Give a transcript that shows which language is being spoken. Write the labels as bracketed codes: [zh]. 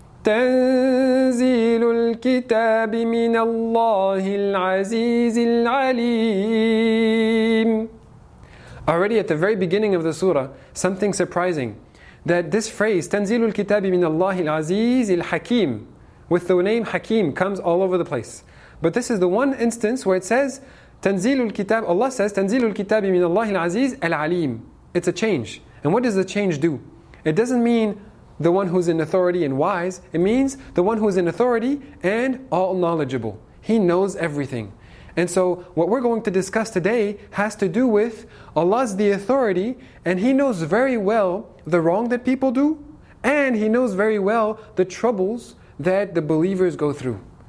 [ar] تنزيل الكتاب من الله العزيز العليم. [en] Already at the very beginning of the surah, something surprising, that this phrase [ar] تنزيل الكتاب من الله العزيز الحكيم, [en] with the name Hakim, comes all over the place. But this is the one instance where it says [ar] تنزيل الكتاب. [en] Allah says [ar] تنزيل الكتاب من الله العزيز العليم. [en] It's a change. And what does the change do? It doesn't mean the one who's in authority and wise. It means the one who's in authority and all knowledgeable. He knows everything. And so what we're going to discuss today has to do with Allah's the authority, and He knows very well the wrong that people do, and He knows very well the troubles that the believers go through.